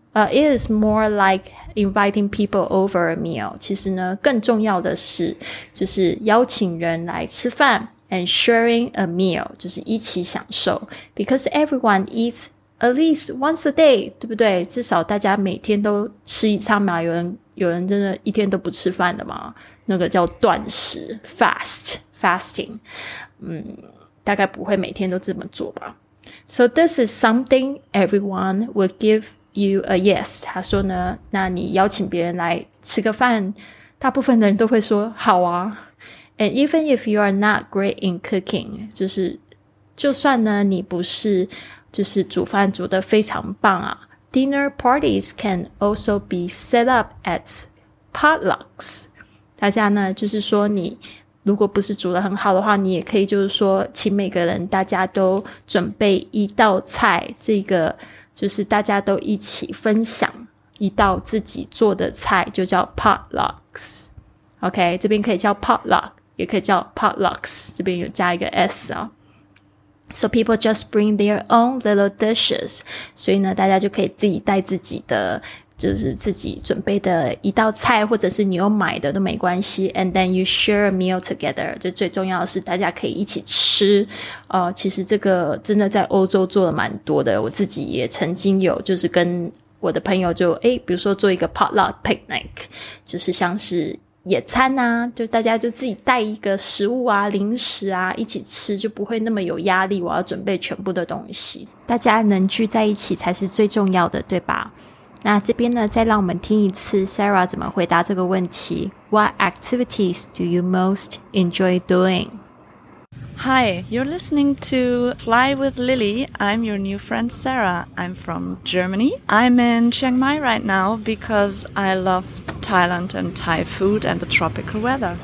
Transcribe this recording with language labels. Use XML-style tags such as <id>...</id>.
<en>It is more like inviting people over a meal.</en> <zh>其实呢，更重要的是，就是邀请人来吃饭</zh> <en>and sharing a meal,</en> <zh>就是一起享受。</zh> <en>Because everyone eats at least once a day,</en> <zh>对不对？至少大家每天都吃一餐嘛，有人真的一天都不吃饭的嘛，那个叫断食 ,fast。 Fasting, 大概不会每天都这么做吧。</zh> <en>So this is something everyone will give you a yes.</en> <zh>他说呢，那你邀请别人来吃个饭，大部分的人都会说好啊。</zh> <en>And even if you are not great in cooking,</en> <zh>就算呢你不是就是煮饭煮得非常棒啊。</zh> <en>Dinner parties can also be set up at potlucks.</en> <zh>大家呢就是说你如果不是煮得很好的话，你也可以就是说请每个人大家都准备一道菜，这个就是大家都一起分享一道自己做的菜，就叫 potlucks。 OK, 这边可以叫 potluck, 也可以叫 potlucks, 这边有加一个 S 哦。</zh> <en>So people just bring their own little dishes,</en> <zh>所以呢大家就可以自己带自己的，就是自己准备的一道菜，或者是你有买的都没关系。</zh> <en>And then you share a meal together,</en> <zh>就最重要的是大家可以一起吃。其实这个真的在欧洲做的蛮多的，我自己也曾经有就是跟我的朋友就比如说做一个 potluck picnic, 就是像是野餐啊，就大家就自己带一个食物啊、零食啊一起吃，就不会那么有压力，我要准备全部的东西。大家能聚在一起才是最重要的，对吧？那这边呢，再让我们听一次 Sarah 怎么回答这个问题。</zh> <en>What activities do you most enjoy doing? Hi, you're listening to Fly with Lily. I'm your new friend Sarah. I'm from Germany. I'm in Chiang Mai right now because I love Thailand and Thai food and the tropical weather.</en>